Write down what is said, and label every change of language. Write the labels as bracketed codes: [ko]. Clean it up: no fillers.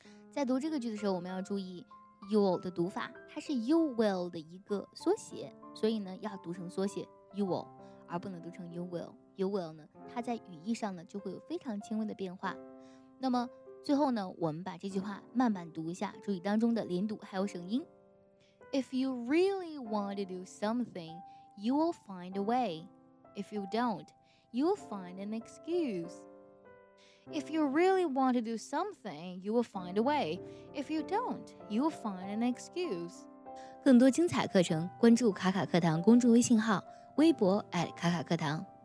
[zh] 在读这个句子的时候，我们要注意 you'll 的读法，它是 [en] you will [zh] 的一个缩写，所以呢要读成缩写 you will， 而不能读成 you will。 [en] you will [zh] 呢，它在语义上呢就会有非常轻微的变化。那么最后呢，我们把这句话慢慢读一下，注意当中的连读还有声音。 [en] If you really want to do something, you will find a way. If you don't, you will find an excuse. If you really want to do something, you will find a way. If you don't, you will find an excuse. [zh] 更多精彩课程关注卡卡课堂公众微信号，微博@卡卡课堂。